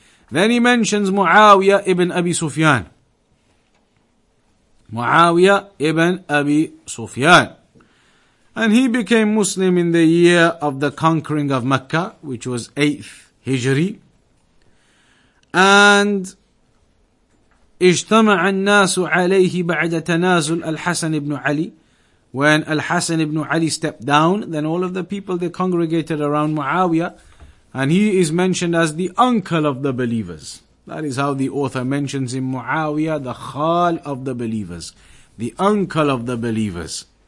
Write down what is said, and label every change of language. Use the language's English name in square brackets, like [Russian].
[English] Then he mentions Muawiyah ibn Abi Sufyan. Muawiyah ibn Abi Sufyan. And he became Muslim in the year of the conquering of Mecca, which was 8th Hijri. And [Arabic] اجتمع الناس عليه بعد تنازل الحسن بن علي. [English] When Al-Hasan ibn Ali stepped down, then all of the people, they congregated around Muawiyah, and he is mentioned as the uncle of the believers. That is how the author mentions him, Muawiyah, the khal of the believers, the uncle of the believers.